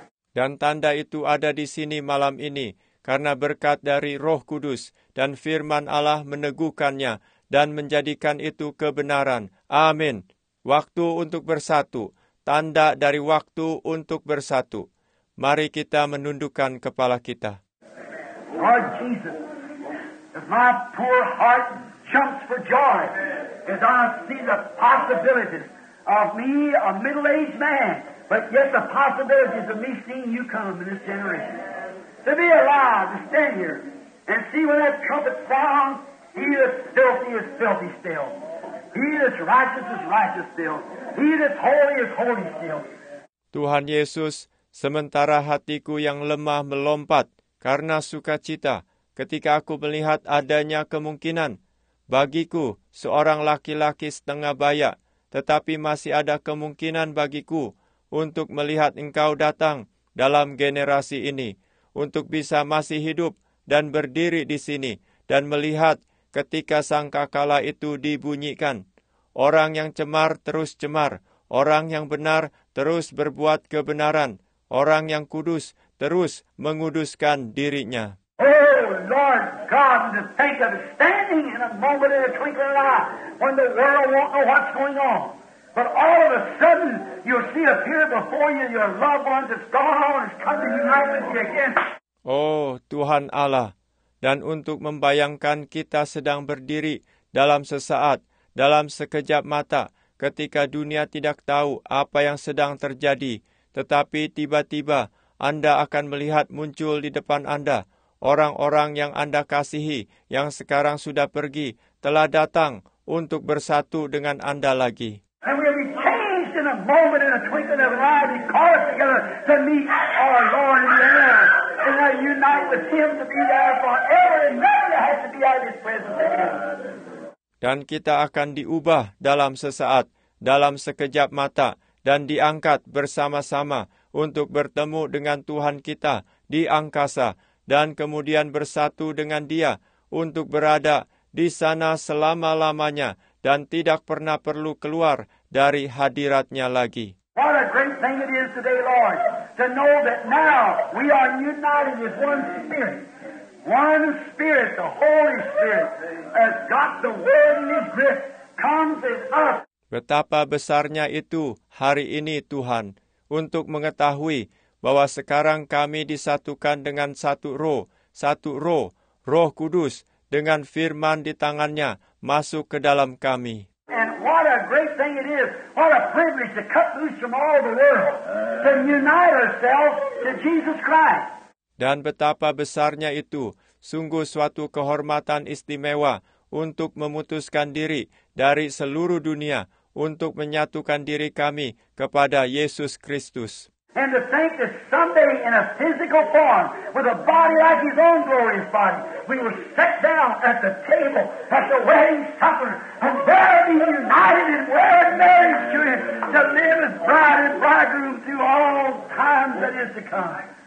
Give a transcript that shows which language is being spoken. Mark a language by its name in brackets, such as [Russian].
[Indonesian] Dan tanda itu ada di sini malam ini, karena berkat dari Roh Kudus dan firman Allah meneguhkannya dan menjadikan itu kebenaran. Amin. Waktu untuk bersatu, tanda dari waktu untuk bersatu. Mari kita menundukkan kepala kita. [English] Lord Jesus, as my poor heart jumps for joy, as I see the possibilities of me, a middle-aged man, but yet the possibilities of me seeing you come in this generation. To be alive, to stand here, and see when that trumpet sounds, he is filthy still. He that's righteous is righteous still. He that's holy is holy still. [Indonesian] Tuhan Yesus, sementara hatiku yang lemah melompat karena sukacita ketika aku melihat adanya kemungkinan bagiku seorang laki-laki setengah baya, tetapi masih ada kemungkinan bagiku untuk melihat Engkau datang dalam generasi ini, untuk bisa masih hidup dan berdiri di sini dan melihat ketika sangkakala itu dibunyikan. Orang yang cemar terus cemar, orang yang benar terus berbuat kebenaran, orang yang kudus terus menguduskan dirinya. [English] Oh Lord God, to think of standing in a moment in a twinkling of an eye when the world won't know what's going on. But all of a sudden, you'll see appear before you your loved one that's gone on, has come to unite with you again. [Indonesian] Oh Tuhan Allah, dan untuk membayangkan kita sedang berdiri dalam sesaat, dalam sekejap mata, ketika dunia tidak tahu apa yang sedang terjadi, tetapi tiba-tiba Anda akan melihat muncul di depan Anda, orang-orang yang Anda kasihi, yang sekarang sudah pergi, telah datang untuk bersatu dengan Anda lagi. [English] And we'll be changed in a moment, in a twinkling of an eye, be caught together to meet our Lord in the air. And I unite with Him to be there forever and never have to be out of His presence again. [Indonesian] Dan kita akan diubah dalam sesaat, dalam sekejap mata, dan diangkat bersama-sama untuk bertemu dengan Tuhan kita di angkasa, dan kemudian bersatu dengan Dia untuk berada di sana selama-lamanya dan tidak pernah perlu keluar dari hadirat-Nya lagi. [English] What a great thing it is today, Lord, to know that now we are united with one Spirit. One Spirit, the Holy Spirit, has got the word in His grip, comes in us. [Indonesian] Betapa besarnya itu hari ini, Tuhan, untuk mengetahui bahwa sekarang kami disatukan dengan satu roh, Roh Kudus, dengan firman di tangannya masuk ke dalam kami. [English] And what a great thing it is, what a privilege to cut loose from all the world, to unite ourselves to Jesus Christ. [Indonesian] Dan betapa besarnya itu, sungguh suatu kehormatan istimewa untuk memutuskan diri dari seluruh dunia untuk menyatukan diri kami kepada Yesus Kristus. [English] And to think that someday in a physical form, with a body like His own glorious body, we will sit down at the table, at the wedding supper, and there be united in wedded marriage to Him, to live as bride and bridegroom through all times that is to come.